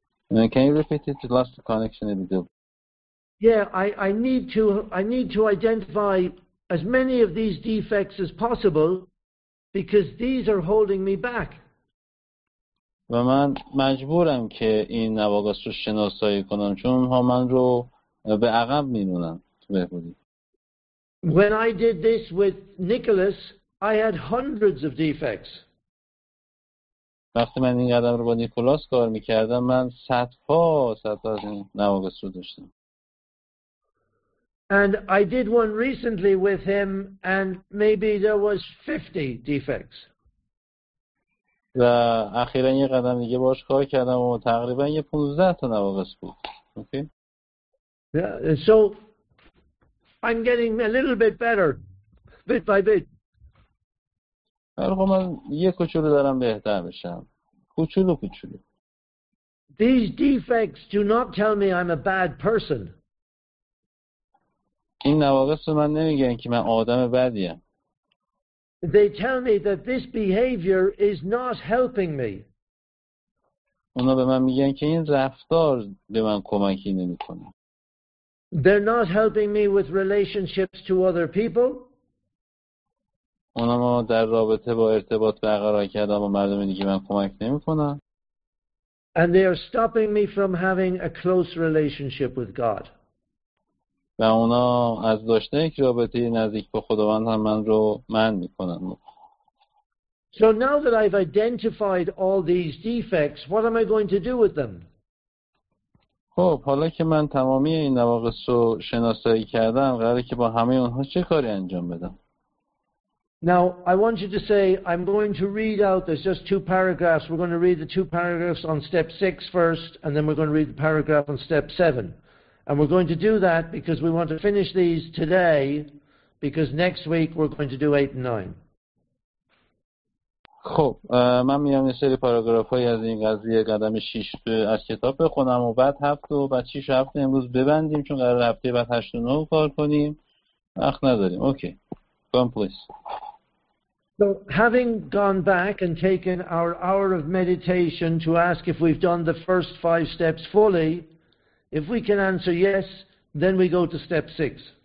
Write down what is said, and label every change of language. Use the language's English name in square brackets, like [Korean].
[English] Can you repeat it? You lost the connection in the middle. Yeah, I need to identify as many of these defects as possible, because these are holding me back. [Persian] و من مجبورم که این نواقص رو شناسایی کنم چون اونها من رو به عقب می‌مونن تو بهبودی. [English] When I did this with Nicholas, I had hundreds of defects. [Persian] وقتی من این قدم رو با نیکولاس کار می‌کردم من صدها از این نواقص رو داشتم. [English] And I did one recently with him and maybe there was 50 defects. [Persian] و اخیرا یه قدم دیگه باش کار کردم و تقریبا یه 15 تا نواقص بود. [English] Okay. Yeah, so I'm getting a little bit better bit by bit. [Persian] آره من یه کوچولو دارم بهتر میشم. کوچولو کوچولو. [English] These defects do not tell me I'm a bad person. [Persian] این نواقص رو من نمیگن که من آدم بدیم. [English] They tell me that this behavior is not helping me. [Persian] اونا به من میگن که این رفتار به من کمکی نمیکنه. [English] They're not helping me with relationships to other people. [Persian] اونا ما در رابطه با ارتباط برقرار کردن با مردم دیگه من کمک نمیکنن. [English] And they are stopping me from having a close relationship with God. [Persian] و اونا از داشتن یک رابطه نزدیک با خداوند هم من رو منع میکنن. [English] So now that I've identified all these defects, what am I going to do with them? [Persian] خب حالا که من تمامی این نواقص رو شناسایی کردم، قراره که با همه اونها چه کاری انجام بدم؟ [English] Now I want you to say I'm going to read out there's just two paragraphs. We're going to read the two paragraphs on step 6 first and then we're going to read the paragraph on step 7. And we're going to do that because we want to finish these today, because next week we're going to do 8 and 9. [Persian] خب من میام یه سری پاراگرافای از این قضیه قدم 6 از کتاب بخونم و بعد هفته و بعد 6 هفته امروز ببندیم چون قرار هفته بعد 8 و 9 کار کنیم. وقت نداریم. اوکی. [English] Okay. Come please. So having gone back and taken our hour of meditation to ask if we've done the first 5 steps fully, if we can answer yes, then we go to step 6.